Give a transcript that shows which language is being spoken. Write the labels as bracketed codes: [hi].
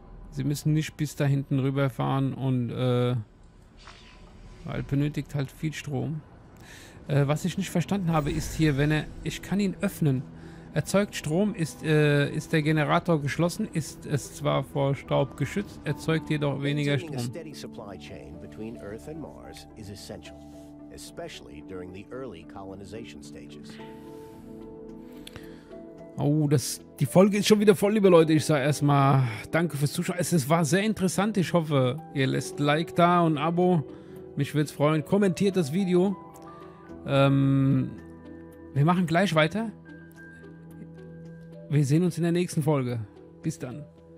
[de] Sie müssen nicht bis da hinten rüberfahren und, weil benötigt halt viel Strom. Was ich nicht verstanden habe, ist hier, wenn er. Ich kann ihn öffnen. Erzeugt Strom, ist der Generator geschlossen, ist es zwar vor Staub geschützt, erzeugt jedoch weniger Strom. Eine [en] steady supply chain between Earth and Mars is essential, especially during the early colonization stages. [de] Oh, die Folge ist schon wieder voll, liebe Leute. Ich sage erstmal danke fürs Zuschauen. Es war sehr interessant. Ich hoffe, ihr lässt Like da und Abo. Mich würde es freuen. Kommentiert das Video. Wir machen gleich weiter. Wir sehen uns in der nächsten Folge. Bis dann.